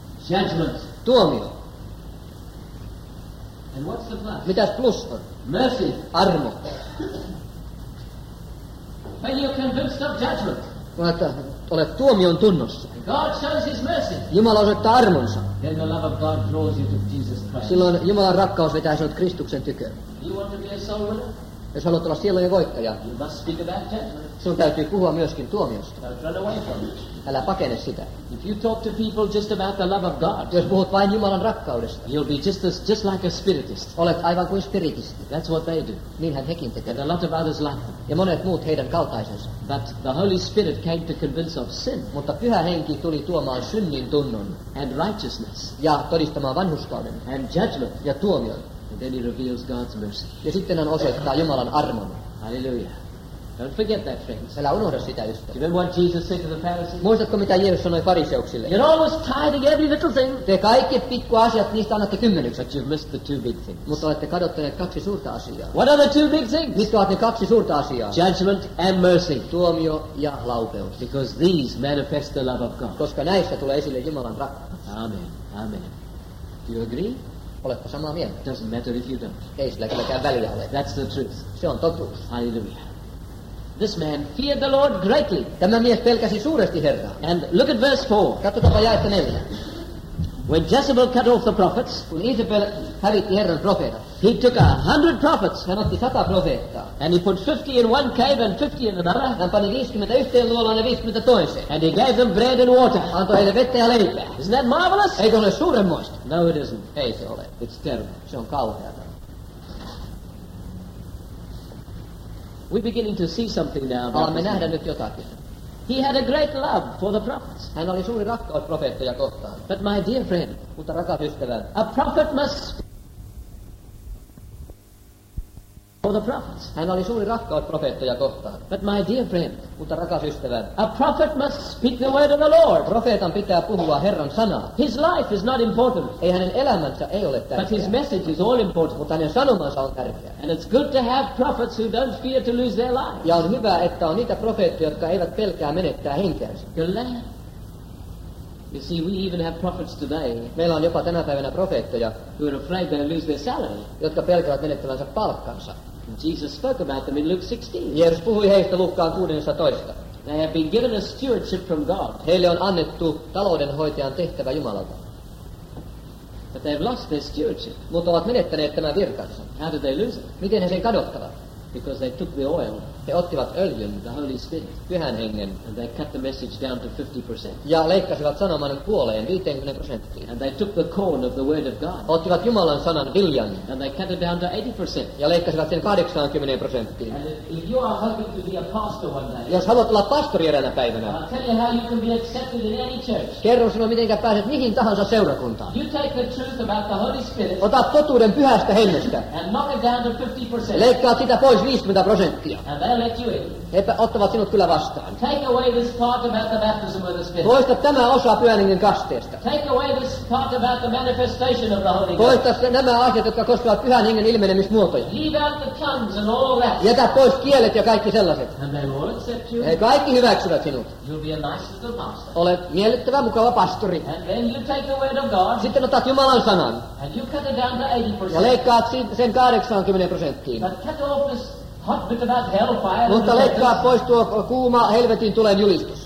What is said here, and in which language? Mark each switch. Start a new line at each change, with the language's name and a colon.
English: Judgment.
Finnish: Tuomio.
English: And what's the plus?
Finnish: Mitäs plus on?
English: Mercy.
Finnish: Armo.
English: When you're convinced of judgment.
Finnish: Kun olet tuomion tunnossa.
English: God shows his mercy.
Finnish: Jumala osoittaa armonsa.
English: Then the love of God draws you to Jesus Christ.
Finnish: Silloin Jumalan rakkaus vetää sinut Kristuksen tyköön.
English: You want to be a soul winner?
Finnish: Jos haluat olla sielujen voittaja.
English: You must speak about judgment.
Finnish: Sinun täytyy puhua myöskin tuomiosta.
English: Don't run away from it.
Finnish: Älä pakene sitä.
English: If you talk to people just about the love of God,
Finnish: jos puhut vain Jumalan rakkaudesta,
English: you'll be just like a spiritist.
Finnish: Olet aivan kuin spiritisti.
English: That's what they do.
Finnish: Niinhän hekin tekevät.
English: And a lot of others like them.
Finnish: Ja monet muut heidän kaltaisensa.
English: But the Holy Spirit came to convince of sin.
Finnish: Mutta Pyhä Henki tuli tuomaan synnin tunnon.
English: And righteousness.
Finnish: Ja todistamaan vanhurskauden.
English: And judgment.
Finnish: Ja tuomion.
English: And then he reveals God's mercy.
Finnish: Ja sitten hän osoittaa Jumalan armon.
English: Hallelujah. Don't forget that, friends.
Finnish: Älä unohda sitä, ystävä.
English: You know what Jesus said to the Pharisees?
Finnish: Muistatko, mitä Jeesus sanoi fariseuksille?
English: You're always tithing every little thing.
Finnish: Te kaikki pikkuasiat, niistä annatte kymmenyksen.
English: But you've missed the two big things.
Finnish: Mutta olette kadottaneet kaksi suurta asiaa.
English: What are the two big things?
Finnish: Mitkä ovat ne kaksi suurta asiaa?
English: Judgment and mercy.
Finnish: Tuomio ja laupeus.
English: Because these manifest the love of God.
Finnish: Koska näistä tulee esille Jumalan rakkaus.
English: Amen. Amen. Do you agree?
Finnish: Oletko samaa mieltä?
English: It doesn't matter if you don't.
Finnish: Ei sillä kylläkään väliä ole.
English: That's the truth.
Finnish: Se on totuus.
English: Hallelujah. This man feared the Lord greatly.
Finnish: Tämä mies pelkäsi suuresti Herraa.
English: And look at verse 4.
Finnish: Katsotaanpa jaetta 4.
English: When Jezebel cut off the prophets,
Finnish: kun Isabel hävitti Herran profeetat,
English: he took 100 prophets.
Finnish: Hän otti 100 profeettaa.
English: And he put 50 in one cave and 50 in another.
Finnish: Hän pani 50 yhteen luolaan ja 50 toiseen.
English: And he gave them bread and water.
Finnish: Antoi heille vettä ja leipää.
English: Isn't that marvelous?
Finnish: Eikö ole suurenmoista?
English: No, it isn't.
Finnish: Ei se ole.
English: It's terrible.
Finnish: Se on kauheata.
English: We're beginning to see something now.
Finnish: Alamme nähdä nyt jotakin.
English: He had a great love for the prophets.
Finnish: Hän oli suuri rakkaus profeettoja kohtaan.
English: But my dear friend,
Finnish: mutta rakas ystäväni,
English: a prophet must for the prophets.
Finnish: Hän oli suuri rakkaus profeettoja kohtaan.
English: But my dear friend,
Finnish: mutta rakas ystäväni,
English: a prophet must speak the word of the Lord.
Finnish: Profeetan pitää puhua Herran sanaa.
English: His life is not important.
Finnish: Ei hänen elämänsä ei ole tärkeä.
English: But his message is all important.
Finnish: Mutta hänen sanomansa on tärkeä.
English: And it's good to have prophets who don't fear to lose their lives.
Finnish: Ja on hyvä, että on niitä profeettoja, jotka eivät pelkää menettää henkeänsä. Kyllä.
English: You see, we even have prophets today.
Finnish: Meillä on jopa tänä päivänä profeettoja,
English: who are afraid they'll lose their salary.
Finnish: Jotka pelkäävät menettävänsä palkkansa.
English: Jesus spoke about them in Luke 16.
Finnish: Jeesus puhui heistä Lukkaan 16.
English: They have been given a stewardship from God.
Finnish: Heille on annettu taloudenhoitajan tehtävä Jumalalta.
English: But they've lost their stewardship.
Finnish: Mutta ovat menettäneet tämän virkansa.
English: How did they lose it?
Finnish: Miten he sen kadottavat?
English: Because they took the oil.
Finnish: He ottivat öljyn,
English: the Holy Spirit,
Finnish: Pyhän Hengen,
English: and they cut the message down to 50%.
Finnish: Ja leikkasivat sanoman puoleen 50%.
English: And they took the corn of the word of God.
Finnish: Ottivat Jumalan sanan viljan.
English: And they cut it down to 80%.
Finnish: Ja leikkasivat sen 80%.
English: And if you are hoping to be a pastor one day,
Finnish: jos haluat olla pastori eräänä päivänä,
English: I'll tell you how you can be accepted in any church.
Finnish: Kerro sinua, miten pääset mihin tahansa seurakuntaan.
English: You take the truth about the Holy Spirit.
Finnish: Ota totuuden Pyhästä Hengestä.
English: And knock it down to 50%.
Finnish: Leikkaa sitä pois 50%.
English: They'll let you in.
Finnish: He ottavat sinut kyllä vastaan.
English: Take away this part about the baptism of the Spirit.
Finnish: Poista tämä osa Pyhän Hengen kasteesta.
English: Take away this part about the manifestation of the Holy Ghost.
Finnish: Poista nämä asiat, jotka koskevat Pyhän Hengen ilmenemismuotoja.
English: Leave out the tongues and all that.
Finnish: Jätä pois kielet ja kaikki sellaiset.
English: And they will accept you.
Finnish: He kaikki hyväksyvät sinut.
English: You'll be a nice little pastor.
Finnish: Olet miellyttävä, mukava pastori.
English: And then you take the word of God.
Finnish: Sitten otat Jumalan sanan.
English: And you cut it down to 80%.
Finnish: Ja leikkaat sen 80%.
English: But cut off this hot bit about hellfire.
Finnish: Mutta leikkaa pois tuo kuuma helvetin tulen julistus.